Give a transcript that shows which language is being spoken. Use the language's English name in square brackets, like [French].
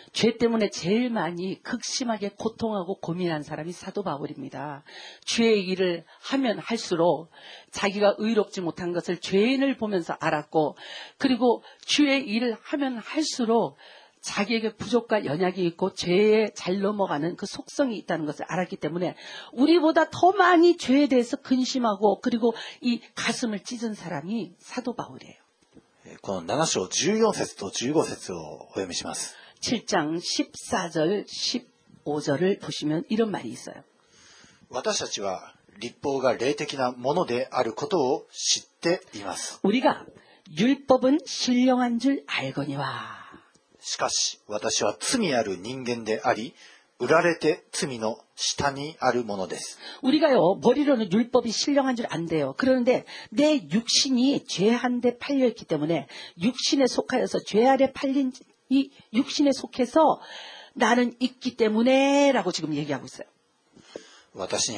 [Korean] 죄때문에제일많이극심하게고통하고고민한사람이사도바울입니다죄의일을하면할수록자기가의롭지못한것을죄인을보면서알았고그리고죄의일을하면할수록자기에게부족과연약이있고죄에잘넘어가는그속성이있다는것을알았기때문에우리보다더많이죄에대해서근심하고그리고이가슴을찢은사람이사도바울이에요 [Japanese] この7章14節と15節をお読みします [Korean] 7장14절15절을보시면이런말이있어요 [Japanese] 私たちは律法が霊的なものであることを知っています [Korean] 우리가율법은신령한줄알거니와 [Japanese] しかし私は罪ある人間であり売られて罪の下にあるものです [Korean] 우리가요머리로는율법이신령한줄안돼요그러는데내육신이죄한데팔려있기때문에육신에속하여서죄아래팔린이육신에속해서나는있기때문에라고지금얘기하고있어요